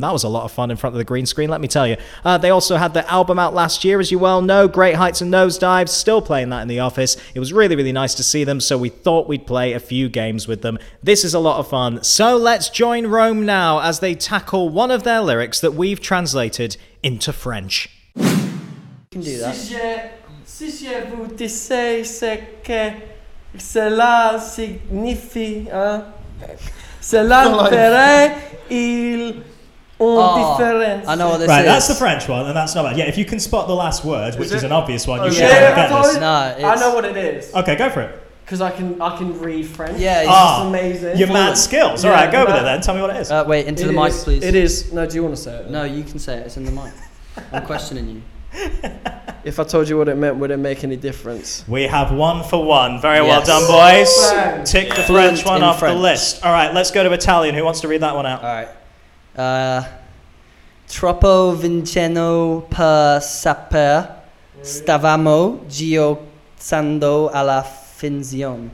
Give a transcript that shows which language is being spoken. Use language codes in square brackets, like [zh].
[en] That was a lot of fun in front of the green screen, let me tell you. They also had their album out last year, as you well know, Great Heights and Nosedives. Still playing that in the office. It was really, really nice to see them, so we thought we'd play a few games with them. This is a lot of fun. So let's join Rome now as they tackle one of their lyrics that we've translated into French. You can do that. [fr] Si je vous disais ce que cela signifie, hein? Cela ferait il une différence. [en] I know what this right, Right, that's the French one, and that's not bad. Yeah, if you can spot the last word, which is an obvious one, you should get this. No, it's... I know what it is. Okay, go for it. Because I can read French. Yeah, it's amazing. Your mad skills. All right, go with it then. Tell me what it is. Wait, into it the is, mic, please. It is. No, do you want to say it? No, you can say it. It's in the mic. I'm questioning you. If I told you what it meant, would it make any difference? We have one for one. Very yes. Well done, boys. French. Tick the French one off French. The list. All right, let's go to Italian. Who wants to read that one out? All right. [it] Troppo vincendo per sapere stavamo giocando alla finzione.